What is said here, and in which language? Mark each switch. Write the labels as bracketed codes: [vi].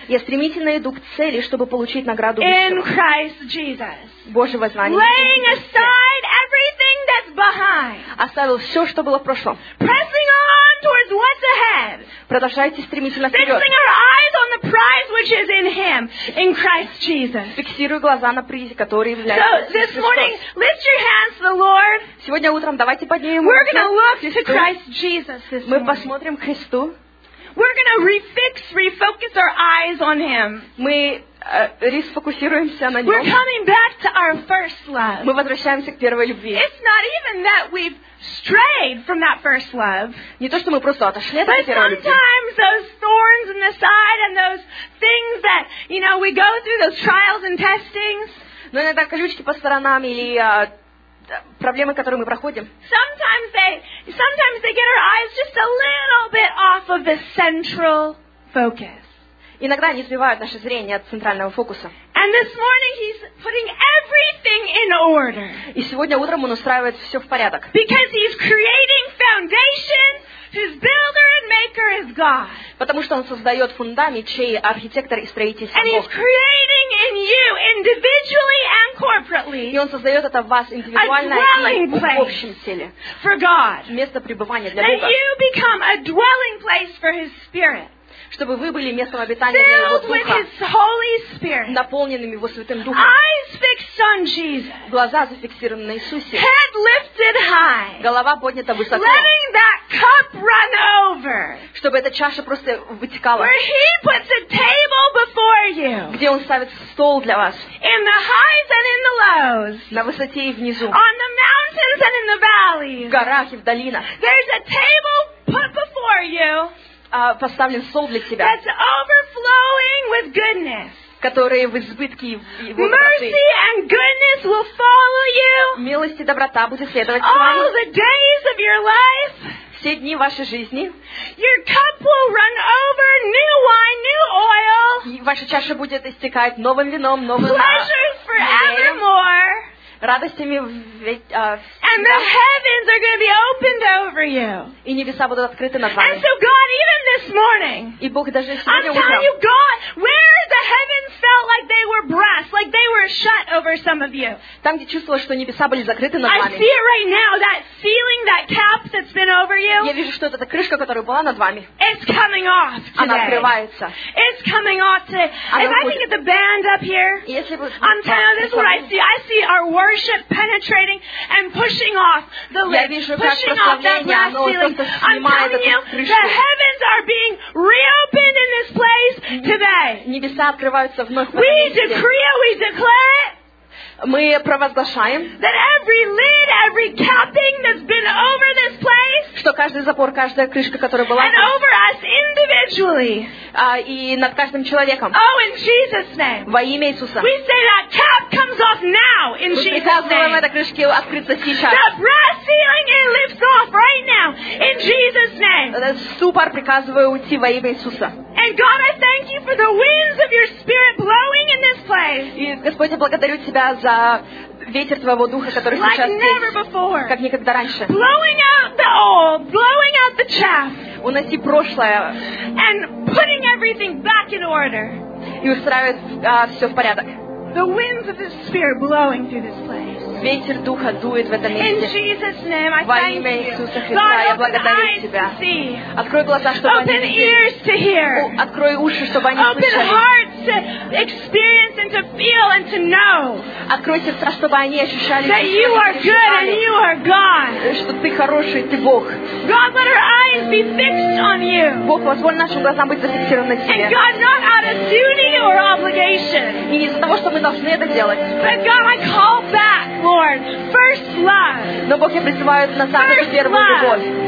[ru] Я стремительно иду к цели, чтобы получить награду Божью. [en] In Christ Jesus. [ru] Божьего звания. [en] Laying aside everything that's behind. [ru] Оставил все, что было в прошлом. [en] Pressing on towards what's ahead. [ru] Продолжайте стремительно вперед. [en] Fixing our eyes on the prize which is in Him, in Christ Jesus. [ru] Фиксирую глаза на призе, который является. [en] So this morning, lift your hands to the Lord. [ru] Сегодня утром давайте поднимем руки. [en] We're gonna look to Christ Jesus this morning. [ru] Мы посмотрим Христу. [en] We're gonna refocus our eyes on Him. [ru] Мы рефокусируемся на Нем. [en] We're coming back to our first love. [ru] Мы возвращаемся к первой любви. [en] It's not even that we've strayed from that first love. [ru] Не то, что мы просто отошли от первой любви. [en] But sometimes those thorns in the side and those things that, you know, we go through those trials and testings. [ru] Но иногда колючки по сторонам или проблемы, которые мы проходим. [en] Sometimes they get our eyes just a little bit off of the central focus. [ru] Иногда они сбивают наше зрение от центрального фокуса. [en] And this morning he's putting everything in order. [ru] И сегодня утром он устраивает все в порядок. [en] Because he's creating foundation, his builder and maker is God. [ru] Потому что он создает фундамент, чей архитектор и строитель Бог. [en] And he's creating in you individually and corporately. [ru] И он создает это в вас индивидуально и в общем теле. [en] For God. [ru] Место пребывания для Бога. [en] That you become a dwelling place for His Spirit. [ru] Чтобы вы были местом обитания для Его Духа, наполненным Его Святым Духом. [en] Eyes fixed on Jesus. [ru] Глаза зафиксированы на Иисусе. [en] Head lifted high. [ru] Голова поднята высоко. [en] Letting that cup run over. [ru] Чтобы эта чаша просто вытекала. [en] Where He puts a table before you. [ru] Где Он ставит стол для вас. [en] In the highs and in the lows. [ru] На высоте и внизу. [en] On the mountains and in the valleys. [ru] В горах и в долинах. [en] There's a table put before you. [ru] Поставлен стол для тебя. [en] That's overflowing with goodness. [ru] Которые в избытке его [en] Mercy and goodness will follow you. [ru] Милость и доброта будет следовать вам. [en] All the days of your life. [ru] Все дни вашей жизни. [en] Your cup will run over, new wine, new oil. [ru] Ваша чаша будет истекать новым вином, новым [en] Pleasures forevermore. [ru] Радостями [en] And the heavens are going to be opened over you. [ru] И небеса будут открыты над вами. [en] And so God, even this morning, [ru] и Бог даже сегодня утром. [en] I'm telling you, God, where the heavens felt like they were brass, like they were shut, O over some of you. [ru] Там, где чувствовала, что небеса были закрыты над вами. [en] I see it right now, that ceiling, that cap that's been over you. [ru] Я вижу, что это крышка, которая была над вами. [en] It's coming off today. [ru] Она открывается. [en] It's coming off today. If I can get the band up here, [ru] если бы, [en] I'm telling you, this is what I see. I see our worship penetrating and pushing off the lid, pushing off that glass ceiling. I'm telling you, the heavens are being reopened in this place today. [ru] Небеса открываются вновь. [en] We decree, we declare. [ru] Мы провозглашаем, [en] that every lid, every capping that's been over this place, [ru] что каждый запор, каждая крышка, которая была, [en] and over us individually, [ru] и над каждым человеком, [en] oh, in Jesus' name, [ru] во имя Иисуса, [en] we say that cap comes off now in Jesus' name. [ru] Мы приказываем этой крышке открыться сейчас. [en] The brass ceiling it lifts off right now in Jesus' name. [ru] Этот ступор приказываю уйти во имя Иисуса. [en] And God, I thank you for the winds of your Spirit blowing in this place. [ru] И Господь, я благодарю тебя за ветер твоего духа, который [en] like [ru] сейчас [en] never [ru] здесь, как никогда раньше. [en] Blowing out the old, blowing out the chaff. [ru] Уноси прошлое. [en] And putting everything back in order. [ru] И устраивает все в порядок. [en] The winds of the Spirit blowing through this place. [ru] Ветер духа дует в этом месте. [en] In Jesus' name, I thank you. [ru] Во имя Иисуса Христа, я благодарю тебя. Открой глаза, чтобы они видели. [en] Open ears to hear. [ru] Открой уши, чтобы они слышали. [en] Open hearts to experience and to feel and to know. [ru] Открой сердца, чтобы они ощущали. [en] That you are good and you are God. [ru] Что ты хороший, ты Бог. [en] God, let our eyes be fixed on you. [ru] Бог, позволь нашим глазам быть зафиксированы на тебе. [en] And God, not out of duty or obligation. [ru] И не из-за того, что мы должны это делать. [en] But God, I call back, Lord, first love. [ru] Но Бог, я призываю назад эту первую любовь.